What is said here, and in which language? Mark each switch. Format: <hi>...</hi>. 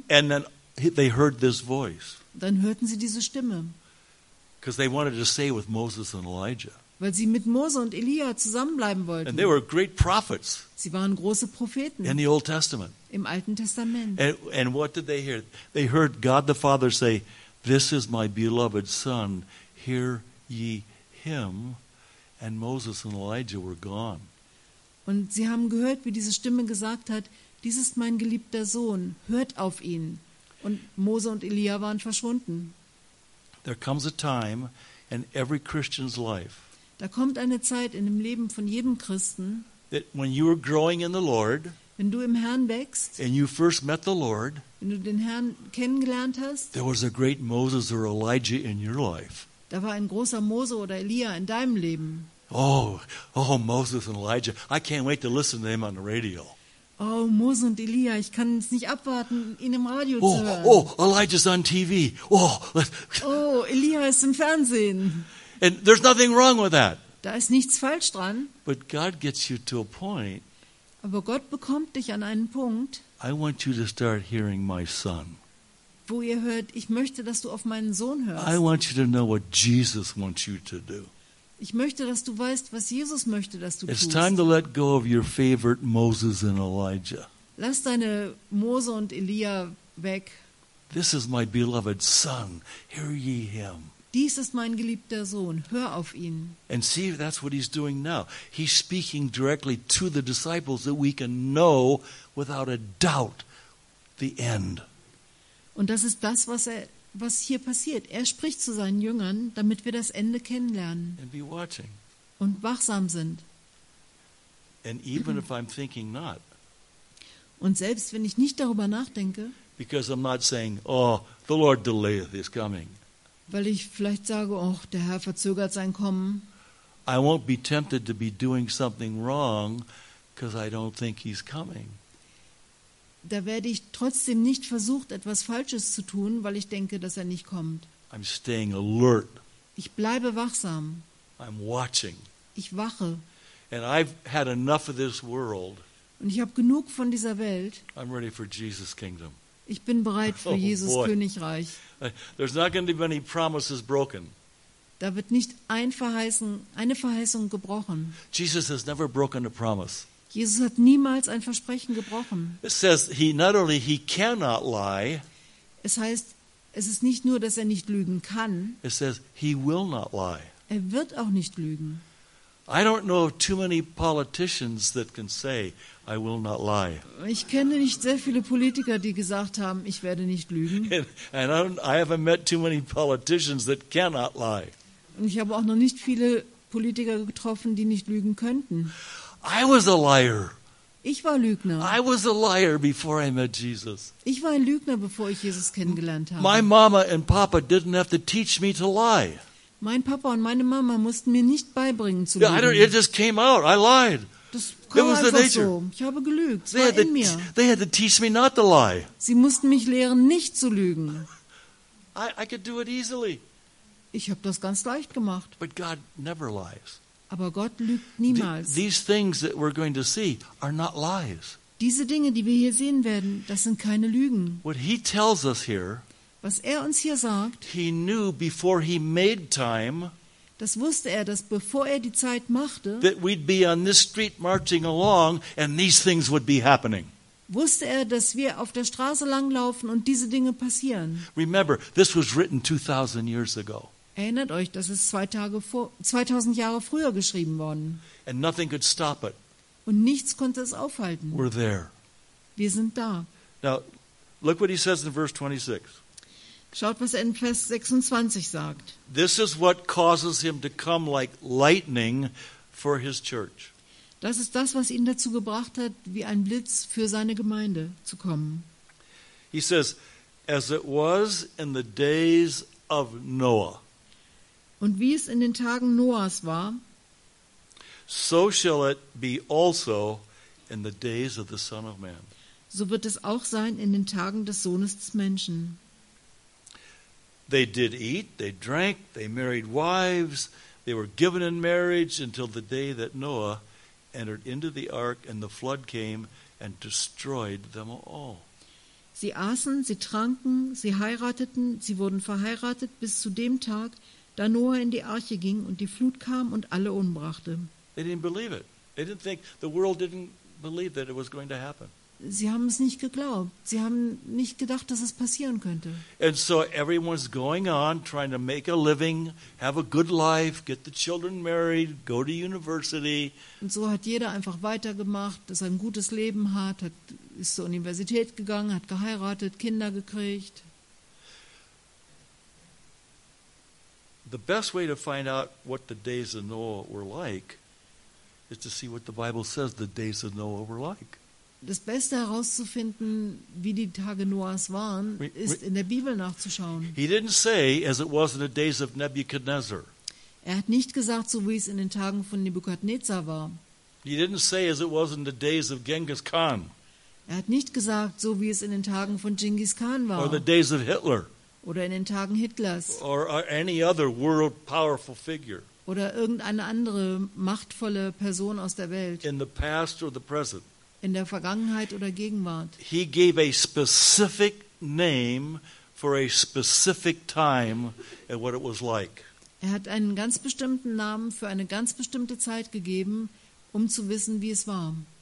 <en>And then they heard this voice.</en> <de>Dann hörten sie diese Stimme.</de> <en>Because they wanted to stay with Moses and Elijah.</en> <de>Weil sie mit Mose und Elia zusammenbleiben wollten.</de> <en>And they were great prophets.</en> <de>Sie waren große Propheten.</de> <en>In the Old Testament.</en> <de>Im Alten Testament.</de> <en>And what did they hear? They heard God the Father say, "This is my beloved Son. Hear ye him." And Moses and Elijah were gone.</en> <de>Und sie haben gehört, wie diese Stimme gesagt hat: "Dies ist mein geliebter Sohn. Hört auf ihn." Und Mose und Elia waren verschwunden.</de> <en>There comes a time in every Christian's life.</en> <de>Da kommt eine Zeit in dem Leben von jedem Christen.</de> <en>That when you are growing in the Lord.</en> <de>Wenn du im Herrn wächst.</de> <en>And you first met the Lord.</en> <de>Wenn du den Herrn kennengelernt hast.</de> <en>There was a great Moses or Elijah in your life.</en> <de>Da war ein großer Mose oder Elia in deinem Leben.</de> <en>Oh, Moses and Elijah. I can't wait to listen to them on the radio.</en> <de>Oh, Mose und Elia, ich kann es nicht abwarten, ihn im Radio zu hören.</de> <en>Oh, Elijah's on TV. Oh,</en> <de>Elia ist im Fernsehen.</de> <en>And there's nothing wrong with that.</en> <de>Da ist nichts falsch dran.</de> <en>But God gets you to a point.</en> <de>Aber Gott bekommt dich an einen Punkt.</de> <en>I want you to start hearing my son.</en> <de>Wo ihr hört, ich möchte, dass du auf meinen Sohn hörst.</de> <en>I want you to know what Jesus wants you to do.</en> <de>Ich möchte, dass du weißt, was Jesus möchte, dass du</de> <en>It's</en> <de>tust.</de> <en>Time to let go of your favorite Moses and Elijah.</en> <de>Lass deine Mose und Elia weg.</de> <en>This is my beloved son. Hear ye him.</en> <de>Dies ist mein geliebter Sohn. Hör auf ihn.</de> <en>And see, that's what he's doing now. He's speaking directly to the disciples that we can know without a doubt the end.</en> <de>Und das ist das, was er was hier passiert. Er spricht zu seinen Jüngern, damit wir das Ende kennenlernen</de> <en>and be watching.</en> <de>Und wachsam sind.</de> <en>And even if I'm thinking not.</en> <de>Und selbst wenn ich nicht darüber nachdenke,</de> <en>because I'm not saying, oh, the Lord delayeth his coming.</en> <de>Weil ich vielleicht sage, oh, der Herr verzögert sein Kommen.</de> <en>I won't be tempted to be doing something wrong because I don't think he's coming.</en> <de>Da werde ich trotzdem nicht versucht, etwas Falsches zu tun, weil ich denke, dass er nicht kommt.</de> <en>I'm staying alert.</en> <de>Ich bleibe wachsam.</de> <en>I'm watching.</en> <de>Ich wache.</de> <en>And I've had enough of this world.</en> <de>Und ich habe genug von dieser Welt.</de> <en>I'm ready for Jesus' kingdom.</en> <de>Ich bin bereit für Jesus' Königreich.</de> <en>There's not going to be any promises broken.</en> <de>Da wird nicht eine Verheißung gebrochen.</de> <en>Jesus has never broken a promise.</en> <de>Jesus hat niemals ein Versprechen gebrochen.</de> <en>It says he not only he cannot lie.</en> <de>Es heißt, es ist nicht nur, dass er nicht lügen kann.</de> <en>It says he will not lie.</en> <de>Er wird auch nicht lügen.</de> <en>I don't know too many politicians that can say I will not lie.</en> <de>Ich kenne nicht sehr viele Politiker, die gesagt haben, ich werde nicht lügen.</de> <en>And I haven't met too many politicians that cannot lie.</en> <de>Und ich habe auch noch nicht viele Politiker getroffen, die nicht lügen könnten.</de> <en>I was a liar.</en> <de>Ich war Lügner.</de> <en>I was a liar before I met Jesus.</en> <de>Ich war ein Lügner, bevor ich Jesus kennengelernt habe.</de> <en>My mama and papa didn't have to teach me to lie.</en> <de>Mein Papa und meine Mama mussten mir nicht beibringen zu lügen.</de> <en>Yeah, it just came out. I lied.</en> <de>Das kam einfach</de> <en>the nature.</en> <de>So. Ich habe gelügt. Es war in mir.</de> <en>They had to teach me not to lie.</en> <de>Sie mussten mich lehren, nicht zu lügen.</de> <en>I could do it easily.</en> <de>Ich habe das ganz leicht gemacht.</de> <en>But God never lies.</en> <de>Aber Gott lügt niemals.</de> <en>These things that we're going to see are not lies.</en> <de>Diese Dinge, die wir hier sehen werden, das sind keine Lügen.</de> <en>What he tells us here,</en> <de>was er uns hier sagt,</de> <en>he knew before he made time,</en> <de>das wusste er, dass bevor er die Zeit machte,</de> <en>that we'd be on this street marching along and these things would be happening.</en> <de>wusste er, dass wir auf der Straße langlaufen und diese Dinge passieren.</de> <en>Remember, this was written 2000 years ago.</en> <de>Erinnert euch, das ist 2000 Jahre früher geschrieben worden.</de> <en>And nothing could stop it.</en> <de>Und nichts konnte es aufhalten.</de> <en>We're there.</en> <de>Wir sind da.</de> <en>Now, look what he says in verse 26.</en> <de>Schaut, was er in Vers 26 sagt.</de> <en>This is what causes him to come like lightning for his church.</en> <de>Das ist das, was ihn dazu gebracht hat, wie ein Blitz für seine Gemeinde zu kommen.</de> <en>He says, as it was in the days of Noah.</en> <de>Und wie es in den Tagen Noahs war,</de> <en>so shall it be also in the days of the Son of Man.</en> <de>So wird es auch sein in den Tagen des Sohnes des Menschen.</de> <en>They did eat, they drank, they married wives, they were given in marriage until the day that Noah entered into the ark and the flood came and destroyed them all.</en> <de>Sie aßen, sie tranken, sie heirateten, sie wurden verheiratet bis zu dem Tag, da Noah in die Arche ging und die Flut kam und alle umbrachte.</de> <en>They didn't believe it. They didn't think, the world didn't believe that it was going to happen.</en> <de>Sie haben es nicht geglaubt. Sie haben nicht gedacht, dass es passieren könnte.</de> <en>And so everyone's going on trying to make a living, have a good life, get the children married, go to university.</en> <de>Und so hat jeder einfach weitergemacht, dass er ein gutes Leben hat, ist zur Universität gegangen, hat geheiratet, Kinder gekriegt.</de> <en>The best way to find out what the days of Noah were like is to see what the Bible says the days of Noah were like.</en> <de>Das Beste herauszufinden, wie die Tage Noahs waren, ist in der Bibel nachzuschauen.</de> <en>He didn't say, as it was in the days of Nebuchadnezzar.</en> <de>Er hat nicht gesagt, so wie es in den Tagen von Nebukadnezar war.</de> <en>He didn't say, as it was in the days of Genghis Khan.</en> <de>Er hat nicht gesagt, so wie es in den Tagen von Genghis Khan war.</de> <en>Or the days of Hitler.</en> <de>Oder in den Tagen Hitlers.</de> <en>Or any other world powerful figure.</en> <de>Oder irgendeine andere machtvolle Person aus der Welt.</de> <en>In the past or the present.</en> <de>In der Vergangenheit oder Gegenwart.</de> <en>He gave a specific name for a specific time and what it was like.</en> <de>Er hat einen ganz bestimmten Namen für eine ganz bestimmte Zeit gegeben, um zu wissen, wie es war.</de>